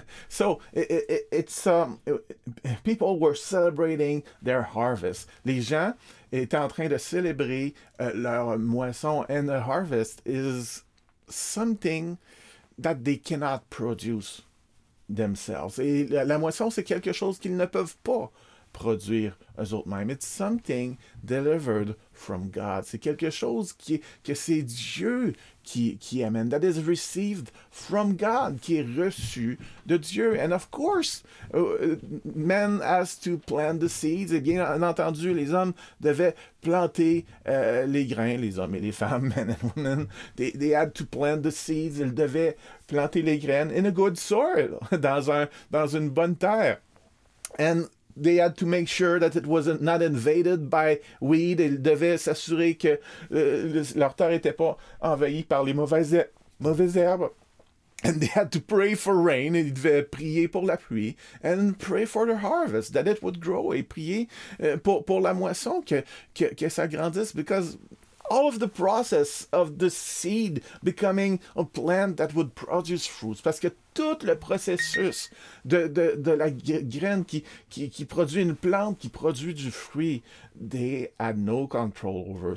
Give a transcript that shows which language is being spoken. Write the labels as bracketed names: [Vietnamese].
[English] People were celebrating their harvest. [French] Les gens étaient en train de célébrer leur moisson. [English] And the harvest is something that they cannot produce themselves. [French] Et la moisson, c'est quelque chose qu'ils ne peuvent pas produire eux-mêmes. [English] It's something delivered from God. [French] C'est quelque chose que c'est Dieu qui amène. [English] That is received from God, [French] qui est reçu de Dieu. [English] And of course, man has to plant the seeds. [French] Et bien entendu, les hommes devaient planter les grains, les hommes et les femmes, [English] men and women. They had to plant the seeds. [French] Ils devaient planter les graines [English] in a good soil, [French] dans une bonne terre. [English] And they had to make sure that it was not invaded by weed. [French] Ils devaient s'assurer que leur terre n'était pas envahie par les mauvaises herbes. [English] And they had to pray for rain. [French] Ils devaient prier pour la pluie. [English] And pray for the harvest, that it would grow. [French] Et prier pour la moisson, que ça grandisse. [English] Because all of the process of the seed becoming a plant that would produce fruits. [French] Parce que tout le processus de la graine qui produit une plante, qui produit du fruit, [English] they had no control over.